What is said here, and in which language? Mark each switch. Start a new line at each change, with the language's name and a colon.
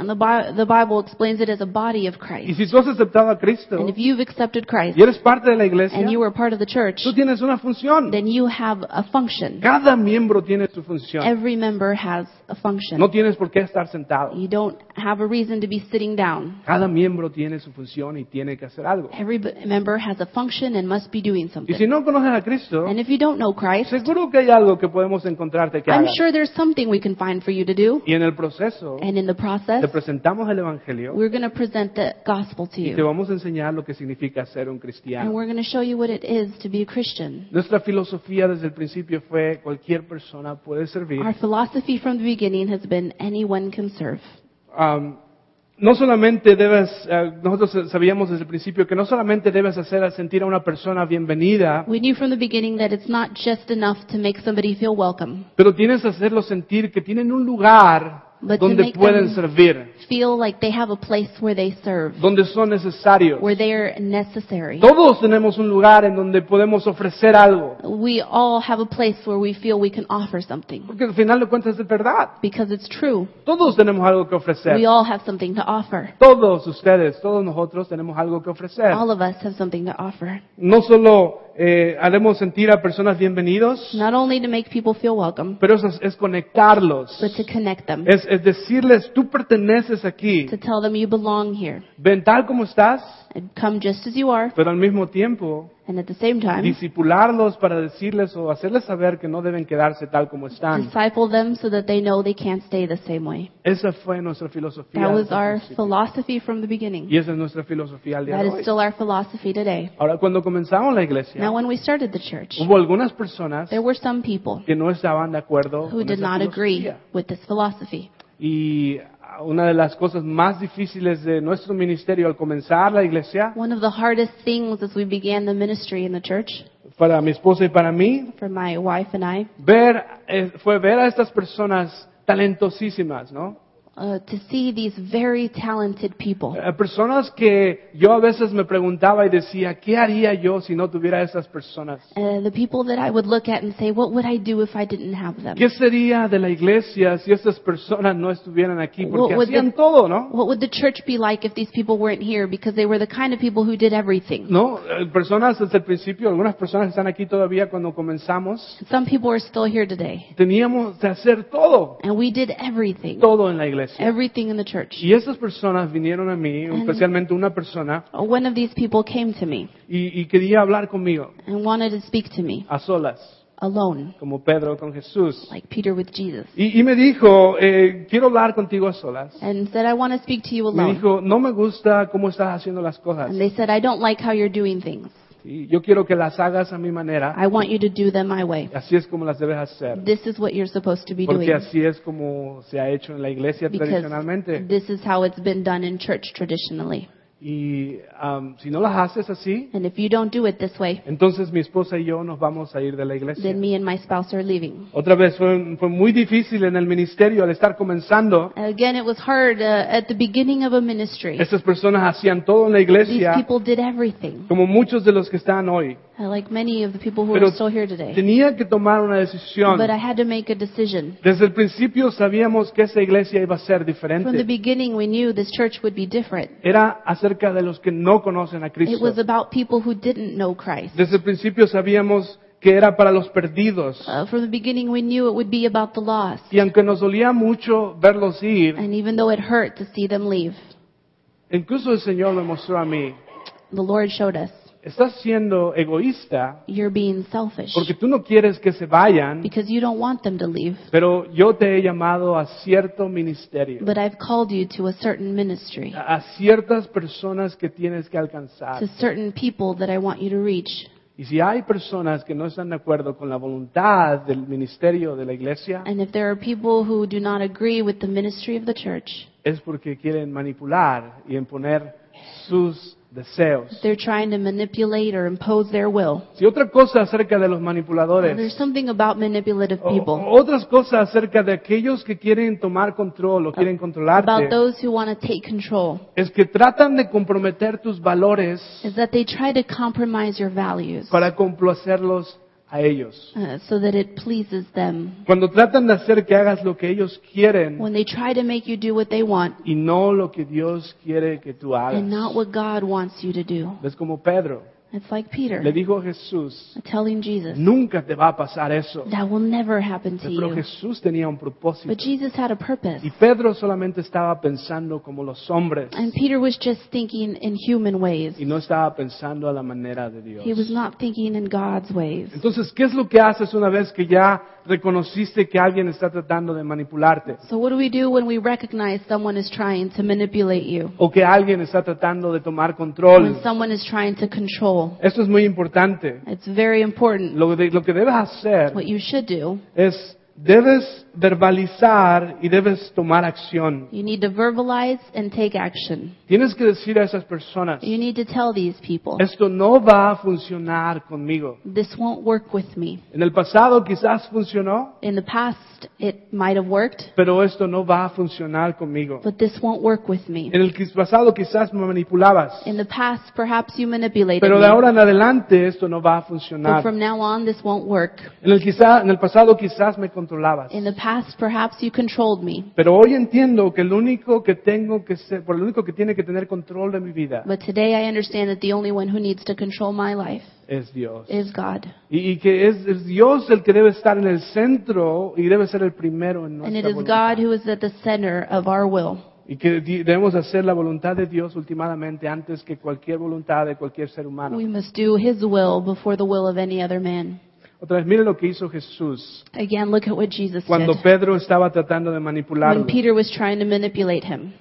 English: And the Bible explains it as a body of Christ.
Spanish: Y si tú has aceptado a Cristo,
English: and if you've accepted Christ,
Spanish: y eres parte de la iglesia,
English: and you are part of the church,
Spanish: tú tienes una función.
English: Then you have a function.
Spanish: Cada miembro tiene su función.
English: Every member has a function.
Spanish: No tienes por qué estar sentado.
English: You don't have a reason to be sitting down.
Spanish: Cada miembro tiene su función y tiene que hacer algo.
English: Every member has a function and must be doing something.
Spanish: Y si no conoces a Cristo,
English: and if you don't know Christ,
Spanish: seguro que hay algo que podemos encontrarte que
English: I'm
Spanish: hagas.
English: Sure there's something we can find for you to do.
Spanish: Y en el proceso,
English: and in the process,
Spanish: te presentamos el evangelio.
English: We're going to present the gospel to you.
Spanish: Y te vamos a enseñar lo que significa ser un cristiano.
English: And we're going to show you what it is to be a Christian.
Spanish: Nuestra filosofía desde el principio fue cualquier persona puede servir.
English: Our philosophy from the beginning has been anyone can serve.
Spanish: No solamente debes, nosotros sabíamos desde el principio que no solamente debes hacer sentir a una persona bienvenida.
English: We knew from the beginning that it's not just enough to make somebody feel welcome.
Spanish: Pero tienes que hacerlo sentir que tienen un lugar donde pueden servir.
English: Feel like they have a place where they serve.
Spanish: Donde son necesarios.
English: Where they are necessary.
Spanish: Todos tenemos un lugar en donde podemos ofrecer algo.
English: We all have a place where we feel we can offer something.
Spanish: Porque al final de cuentas es verdad.
English: Because it's true.
Spanish: Todos tenemos algo que ofrecer.
English: We all have something to offer.
Spanish: Todos ustedes, todos nosotros tenemos algo que ofrecer.
English: All of us have something to offer.
Spanish: No solo haremos sentir a personas bienvenidos.
English: Not only to make people feel welcome.
Spanish: Pero es conectarlos.
English: But to connect them.
Spanish: Es decirles, tú perteneces aquí.
English: To tell them you belong here.
Spanish: Ven tal como estás.
English: And come just as you are.
Spanish: Pero al mismo tiempo.
English: And at the same time.
Spanish: Discipularlos para decirles o hacerles saber que no deben quedarse tal como están.
English: Disciple them so that they know they can't stay the same way.
Spanish: Esa fue nuestra filosofía.
English: That was our philosophy from the beginning.
Spanish: Y esa es nuestra filosofía al día de hoy.
English: That is still our philosophy today.
Spanish: Ahora, cuando comenzamos la iglesia.
English: Now when we started the church.
Spanish: Hubo algunas personas.
English: There were some people.
Spanish: Que no estaban de acuerdo.
English: Who did not agree with this philosophy.
Spanish: Y una de las cosas más difíciles de nuestro ministerio al comenzar la iglesia.
English: One of the hardest things as we began the ministry in the church.
Spanish: Para mi esposa y para mí.
English: For my wife and I.
Spanish: Ver, fue ver a estas personas talentosísimas, ¿no?
English: to see these very talented people.
Spanish: Personas que yo a veces me preguntaba y decía, ¿qué haría yo si no tuviera esas personas?
English: The people that I would look at and say, what would I do if I didn't have them?
Spanish: ¿Qué sería de la iglesia si esas personas no estuvieran aquí? Porque hacían todo, ¿no?
English: What would the church be like if these people weren't here? Because they were the kind of people who did everything.
Spanish: No, personas desde el principio, algunas personas están aquí todavía cuando comenzamos.
English: Some people are still here today.
Spanish: Teníamos de hacer todo.
English: And we did everything.
Spanish: Todo en la iglesia.
English: Everything in the church.
Spanish: Y esas personas vinieron a mí, especialmente una persona.
English: One of these people came to me.
Spanish: Y quería hablar conmigo.
English: And wanted to speak to me.
Spanish: A solas.
English: Alone.
Spanish: Como Pedro con Jesús.
English: Like Peter with Jesus.
Spanish: Y me dijo, quiero hablar contigo a solas.
English: And said, I want to speak to you alone.
Spanish: Me dijo, no me gusta cómo estás haciendo las cosas.
English: And they said, I don't like how you're doing things.
Spanish: Yo quiero que las hagas a mi manera.
English: I want you to do them my way.
Spanish: Así es como las debes hacer.
English: This is what you're supposed to be doing.
Spanish: Porque así es como se ha hecho en la iglesia tradicionalmente.
English: Because this is how it's been done in church traditionally.
Spanish: Y si no las haces así,
English: and if you don't do it this way,
Spanish: entonces mi esposa y yo nos vamos a ir de la iglesia.
English: Then me and my spouse are leaving.
Spanish: Otra vez fue muy difícil en el ministerio al estar comenzando.
English: Again, it was hard at the beginning of a ministry.
Spanish: Esas personas hacían todo en la iglesia.
English: These people did everything.
Spanish: Como muchos de los que están hoy.
English: Like many of the people who
Spanish: Pero
English: are still here today.
Spanish: Tenía que tomar una decisión.
English: But I had to make a decision.
Spanish: Desde el principio sabíamos que esa iglesia iba a ser diferente.
English: From the beginning we knew this church would be different.
Spanish: Era acerca de los que no conocen a Cristo.
English: It was about people who didn't know Christ.
Spanish: Desde el principio sabíamos que era para los perdidos.
English: From the beginning we knew it would be about the lost.
Spanish: Y aunque nos dolía mucho verlos ir.
English: And even though it hurt to see them leave.
Spanish: Incluso el Señor lo mostró a mí.
English: The Lord showed us.
Spanish: Estás siendo egoísta.
English: You're being selfish.
Spanish: Porque tú no quieres que se vayan.
English: Because you don't want them to leave.
Spanish: Pero yo te he llamado a cierto ministerio.
English: But I've called you to a certain ministry.
Spanish: A ciertas personas que tienes que alcanzar.
English: To certain people that I want you to reach.
Spanish: Y si hay personas que no están de acuerdo con la voluntad del ministerio de la iglesia,
English: and if there are people who do not agree with the ministry of the church,
Spanish: es porque quieren manipular y imponer sus deseos.
English: They're trying to manipulate or impose their will.
Spanish: Si otra cosa acerca de los manipuladores.
English: There's something about manipulative people.
Spanish: Otras cosas acerca de aquellos que quieren tomar control o quieren controlarte.
English: About those who want to take control.
Spanish: Es que tratan de comprometer tus valores.
English: Is that they try to compromise your values.
Spanish: Para complacerlos a ellos.
English: So that it pleases them.
Spanish: Cuando tratan de hacer que hagas lo que ellos quieren.
English: When they try to make you do what they want.
Spanish: Y no lo que Dios quiere que tú hagas.
English: And not what God wants you to do.
Spanish: Es como Pedro.
English: It's like Peter.
Spanish: Le dijo a Jesús.
English: Telling Jesus.
Spanish: Nunca te va a pasar eso.
English: That will never happen to
Spanish: Pero
English: you.
Spanish: Pero Jesús tenía un propósito.
English: But Jesus had a purpose.
Spanish: Y Pedro solamente estaba pensando como los hombres.
English: And Peter was just thinking in human ways.
Spanish: Y no estaba pensando a la manera de Dios.
English: He was not thinking in God's ways.
Spanish: Entonces, ¿qué es lo que haces una vez que ya reconociste que alguien está tratando de manipularte?
English: So what do we do when we recognize someone is trying to manipulate you?
Spanish: O que alguien está tratando de tomar control.
English: When someone is trying to control.
Spanish: Esto es muy importante.
English: It's very important.
Spanish: Lo que debes hacer.
English: What you should do.
Spanish: Es debes verbalizar y debes tomar acción.
English: You need to verbalize and take action.
Spanish: Tienes que decir a esas personas.
English: You need to tell these people.
Spanish: Esto no va a funcionar conmigo.
English: This won't work with me.
Spanish: En el pasado quizás funcionó.
English: In the past it might have worked.
Spanish: Pero esto no va a funcionar conmigo.
English: But this won't work with me.
Spanish: En el pasado quizás me manipulabas.
English: In the past perhaps you manipulated me.
Spanish: Pero de ahora en adelante esto no va a funcionar.
English: But from now on this won't work.
Spanish: En el pasado quizás me controlabas.
English: In the past perhaps you controlled me.
Spanish: Pero hoy entiendo que el único que tengo que ser, por lo único que tiene que tener control de mi vida.
English: But today I understand that the only one who needs to control my life
Spanish: es Dios.
English: Is God.
Spanish: Y que es Dios el que debe estar en el centro y debe ser el primero en nuestra voluntad.
English: And it is God who is at the center of our will.
Spanish: Y que debemos hacer la voluntad de Dios últimamente antes que cualquier voluntad de cualquier ser humano.
English: We must do his will before the will of any other man.
Spanish: Otra vez, mire lo que hizo Jesús.
English: Again, look at what Jesus
Spanish: cuando
English: did.
Spanish: Pedro estaba tratando de manipularlo.
English: When Peter was trying to manipulate him.